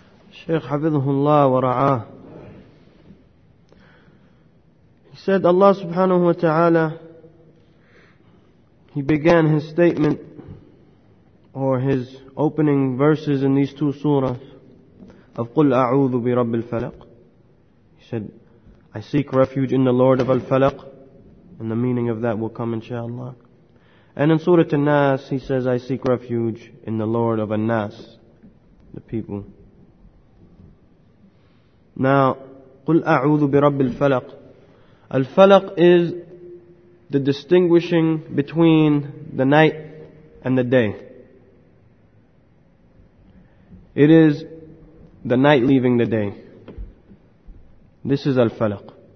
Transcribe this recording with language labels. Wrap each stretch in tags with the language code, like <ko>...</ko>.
<ar>الشيخ حفظه الله ورعاه</ar> <en>said Allah subhanahu wa ta'ala, he began his statement or his opening verses in these two surahs of</en> <ar>قُلْ أَعُوذُ بِرَبِّ الْفَلَقِ.</ar> <en>He said, I seek refuge in the Lord of Al-Falaq, and the meaning of that will come inshallah. And in Surah An-Nas, he says, I seek refuge in the Lord of An-Nas, the people.</en> <ar>Now, قُلْ أَعُوذُ بِرَبِّ الْفَلَقِ.</ar> <en>Al-Falaq is the distinguishing between the night and the day. It is the night leaving the day. This is Al-Falaq.</en>